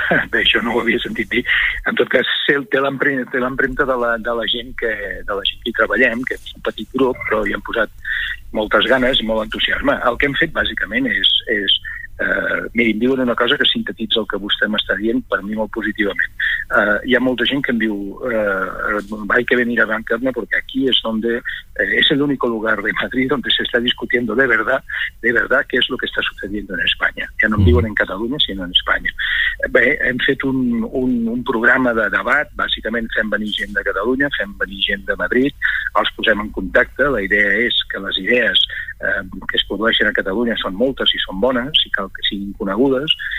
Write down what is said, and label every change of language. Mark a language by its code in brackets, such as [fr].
[ca] Bé, això no ho havia sentit dir. En tot cas, té l'empremta de la gent que hi treballem, que és un petit grup, però hi hem posat moltes ganes i molt entusiasme. El que hem fet, bàsicament, és, diuen una cosa que sintetitza el que vostè m'està dient, per mi molt positivament. [es] Hi ha molta gent que em diu, hay que venir a Blanquerna porque aquí es donde es el único lugar de Madrid donde se está discutiendo de verdad qué es lo que está sucediendo en España. [ca] Ya no em diuen en Catalunya, sinó en Espanya. Bé, hem fet un programa de debat, bàsicament fem venir gent de Catalunya, fem venir gent de Madrid, els posem en contacte, la idea és que les idees que es produeixen a Catalunya són moltes i són bones i cal que siguin conegudes.